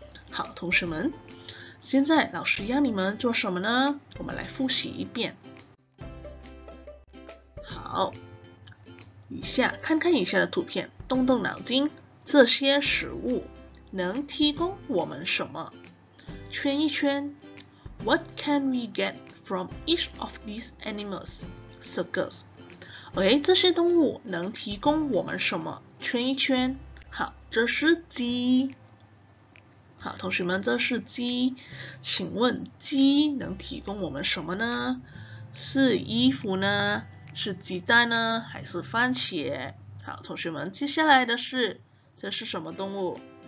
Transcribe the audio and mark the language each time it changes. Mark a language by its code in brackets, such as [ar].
[zh] 好，同学们，现在老师要你们做什么呢？我们来复习一遍。好，以下看看以下的图片，动动脑筋，这些食物能提供我们什么？圈一圈。 [en] What can we get from each of these animals? Circles. [zh] OK, 这些动物能提供我们什么？圈一圈。好，这是鸡。好，同学们，这是鸡。请问鸡能提供我们什么呢？是衣服呢？是鸡蛋呢？还是番茄？好，同学们，接下来的是，这是什么动物？